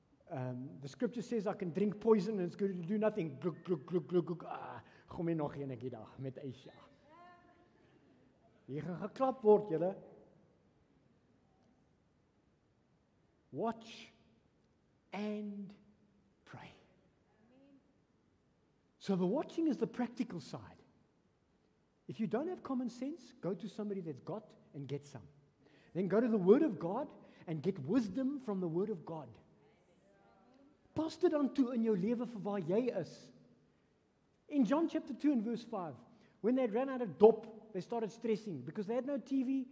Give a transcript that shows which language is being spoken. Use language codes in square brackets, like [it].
[en] The scripture says I can drink poison and it's going to do nothing. Gluk, gluk, gluk, gluk, gluk. [af] Kom hier nog een keer daar met Asia. Hier gaan geklap word, julle. [en] Watch and pray. So the watching is the practical side. If you don't have common sense, go to somebody that's got and get some. Then go to the Word of God and get wisdom from the Word of God. [af] Pas dit aan toe in jou lewe vir waar jy is. [en] In John chapter 2 and verse 5, when they ran out of dop, they started stressing because they had no TV.